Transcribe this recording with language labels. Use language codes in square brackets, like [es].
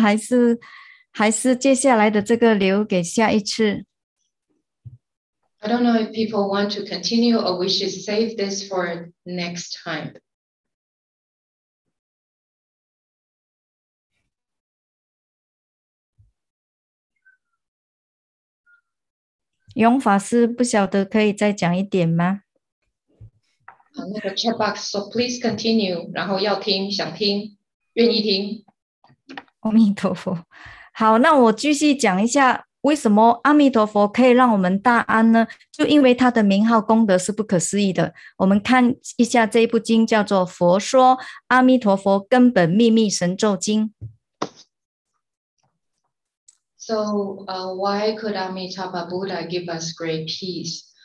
[zh] 还是接下来的这个留给下一次。 [en] I don't know if people want to continue or we should save this for next time. [zh] 勇法师不晓得可以再讲一点吗？那个 chat box, so please continue, 然后要听想听。愿意听，阿弥陀佛。好，那我继续讲一下，为什么阿弥陀佛可以让我们大安呢？就因为他的名号功德是不可思议的。我们看一下这一部经，叫做《佛说阿弥陀佛根本秘密神咒经》。 [en] So, why could Amitabha Buddha give us great peace?